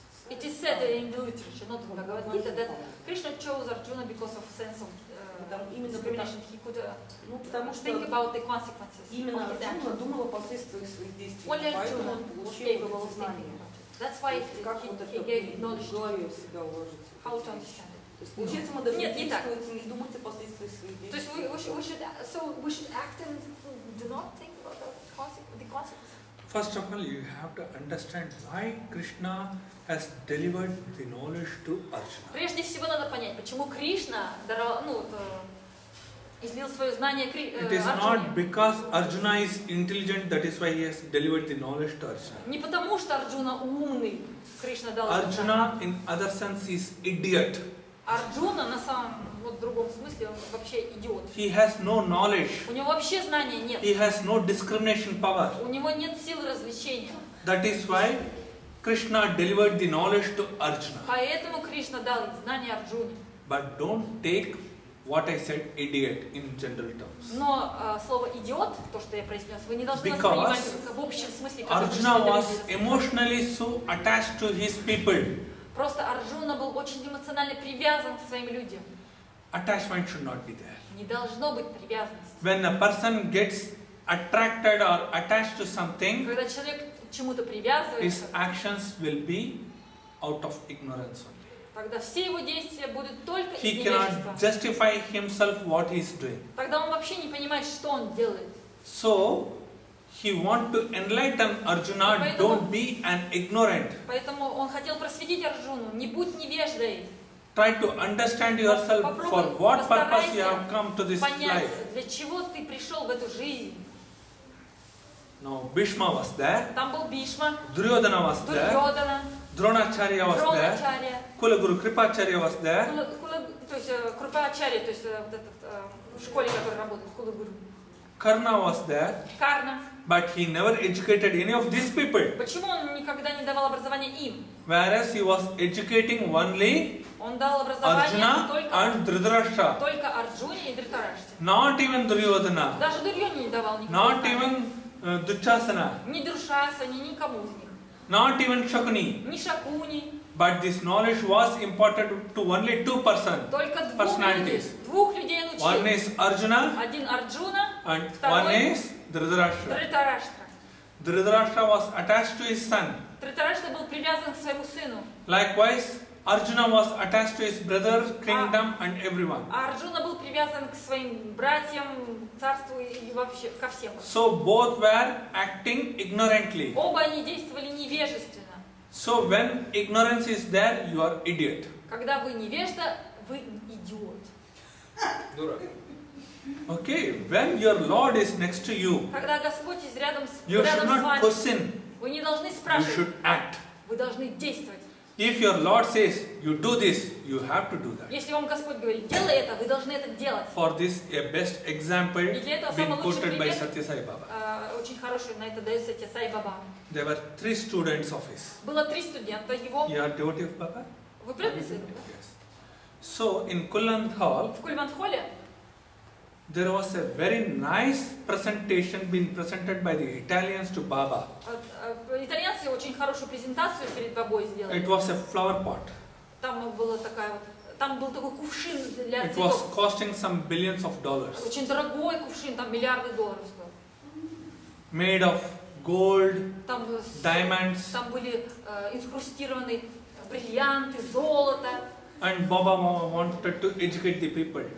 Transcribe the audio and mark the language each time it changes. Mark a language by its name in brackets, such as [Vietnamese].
[English] It is said in the literature, not in Bhagavad-gita, that Krishna chose Arjuna because of sense of discrimination. He could think about the consequences of his actions. Only Arjuna gave it his thinking about it. That's why he gave knowledge. How to understand it? [Russian] Получается, мы должны действовать, не думать о последствиях своих действий. То есть, [English] we should act and do not think about the consequences? First of all, you have to understand why Krishna has delivered the knowledge to Arjuna. [Russian] Прежде всего надо понять, почему Кришна даровал, ну, излил свое знание Арджуне. [English] It is not because Arjuna is intelligent, that is why he has delivered the knowledge to Arjuna. [Russian] Не потому что Арджуна умный, Кришна дал. [English] Arjuna, in other sense, is idiot. [Russian] Арджуна на самом вот другом смысле он вообще идиот. [English] He has no knowledge. [Russian] У него вообще знания нет. [English] He has no discrimination power. [Russian] У него нет сил развлечения. [English] That is why Krishna delivered the knowledge to Arjuna. [Russian] Поэтому Кришна дал знания Арджуне. [English] But don't take what I said idiot in general terms. [Russian] Но слово идиот, то что я произнес, вы не должны воспринимать в общем смысле. [English] Arjuna was emotionally so attached to his people. [Russian] Просто Арджуна был очень эмоционально привязан к своим людям. [English] Attachment should not be there. [Russian] Не должно быть привязанности. [English] When a person gets attracted or attached to something, [Russian] когда человек чему-то привязывается, [English] his actions will be out of ignorance only. [Russian] Тогда все его действия будут только из невежества. [English] He cannot justify himself what he is doing. [Russian] Тогда он вообще не понимает, что он делает. [English] So he want to enlighten Arjuna, don't be an ignorant. [Russian] Поэтому он хотел просветить Арджуну, не будь невеждой. [English] Try to understand yourself for what purpose you have come to this [Russian] понять, [English] life. [Russian] Для чего ты пришел в эту жизнь? [English] No, Bhishma was there. [Russian] Там был Бишма. [English] Дурьодана was there. [Russian] Дурьодана. [English] Дроначарья was there. Кулагуру Крипачарья was there. [Russian] Крипачарья, в школе, который работает, Кулагуру. [English] Karna was there. Karna. But he never educated any of these people. [Russian] Почему он никогда не давал образование им? [English] Whereas he was educating only Arjuna and Dhritarashtra. [Russian] Только Арджуне и Дхритарашти. [English] Not even Дурьодана. [Russian] Даже Дурьодане не давал никому. [English] Not even Дуршасана. [Russian] Ни Дуршасане, никому из них. [English] Not even Шакуни. [Russian] Ни Шакуни. [English] But this knowledge was imparted to only two persons. [Russian] Только двух [English] personalities. [Russian] Двух людей он учил. [English] One is Arjuna. [Russian] Один Арджуна. [English] And one is Dhritarashtra. Dhritarashtra. Dhritarashtra was attached to his son. [Russian] Dhritarashtra был привязан к своему сыну. [English] Likewise, Arjuna was attached to his brother, kingdom, and everyone. [Russian] Арджуна был привязан к своим братьям, царству и вообще ко всем. [English] So both were acting ignorantly. [Russian] Оба они действовали невежественно. [English] So when ignorance is there, you are idiot. [Russian] Когда вы невежда, вы идиот. Дурак. [English] Okay, when your Lord is next to you, [Russian] когда Господь есть рядом с вами, [English] you should not question. [Russian] Вы не должны спрашивать. [English] You should act. [Russian] Вы должны действовать. [English] If your Lord says you do this, you have to do that. [Russian] Если вам Господь говорит делай это, вы должны это делать. [English] For this, a best example been quoted by Satya Sai Baba. [Russian] Очень хороший на это дает Сатья Сай Баба. [English] There were three students of his. [Russian] Было три студента его. [English] You are devotee of Baba. [Russian] Вы преданный сын? [English] Yes. So in Kulanthal. [Russian] В Кульманхоле. [English] There was a very nice presentation being presented by the Italians to Baba. [Russian] Итальянцы очень хорошую презентацию перед Бабой сделали. [English] It was a flower pot. [Russian] Там был такой кувшин для цветов. [English] It was costing some billions of dollars. [Russian] Очень дорогой кувшин, там миллиарды долларов стоил. [English] Made of gold, diamonds. [Russian] Там были инкрустированы бриллианты, золото. [English] And Baba Mama wanted to educate the people.